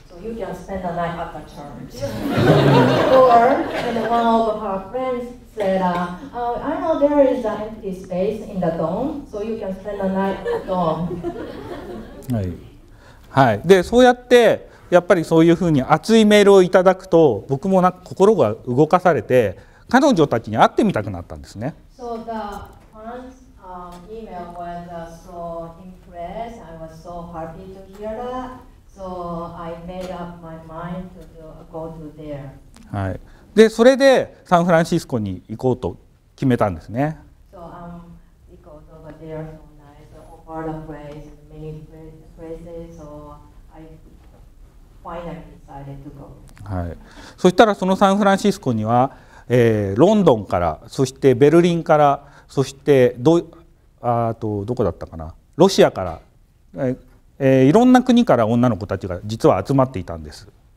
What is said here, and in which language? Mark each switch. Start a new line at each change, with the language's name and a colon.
English: So you can spend the night at the church. Or, and one of her friends said, I know there is an empty space in the dorm, so you can spend the night at the dorm.
Japanese: はい、でそうやってやっぱりそういうふうに熱いメールをいただくと僕もなんか心が動かされて彼女たちに会ってみたくなったんですね。
English: So the first, email was, so impressed. I was so happy to hear that. So I made up my mind to go to there.
Japanese: はい、でそれでサンフランシスコに行こうと決めたんですね。
English: So I'm going to go there tonight. So far the place, many places, so I finally decided to go.
Japanese: はい、そしたらそのサンフランシスコにはロンドンからそしてベルリンからそしてどこだったかなロシアから、いろんな国から女の子たちが実は集まっていたんです。